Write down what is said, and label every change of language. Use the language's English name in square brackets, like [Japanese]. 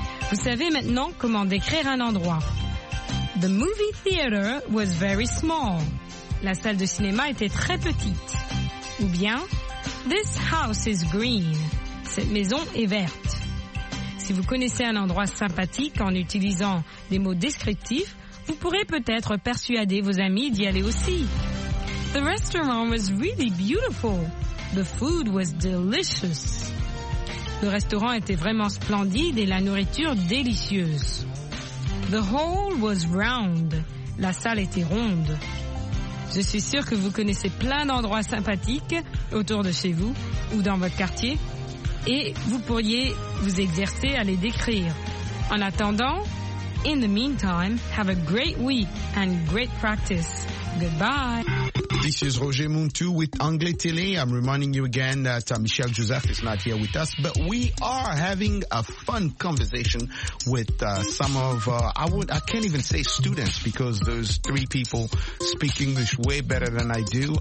[French] Vous savez maintenant comment décrire un endroit. [English] The movie theater was very small. [French] La salle de cinéma était très petite. Ou bien, [English] this house is green. [French] Cette maison est verte. Si vous connaissez un endroit sympathique en utilisant des mots descriptifs, vous pourrez peut-être persuader vos amis d'y aller aussi. [English] The restaurant was really beautiful. The food was delicious. [French] Le restaurant était vraiment splendide et la nourriture délicieuse. [English] The hall was round. [French] La salle était ronde. Je suis sûre que vous connaissez plein d'endroits sympathiques autour de chez vous ou dans votre quartier et vous pourriez vous exercer à les décrire. En attendant, [English] in the meantime, have a great week and great practice. Goodbye. This is Roger Muntu with Anglais Télé. I'm reminding you again that Michel Joseph is not here with us, but we are having a fun conversation with some of, I can't even say students, because those three people speak English way better than I do.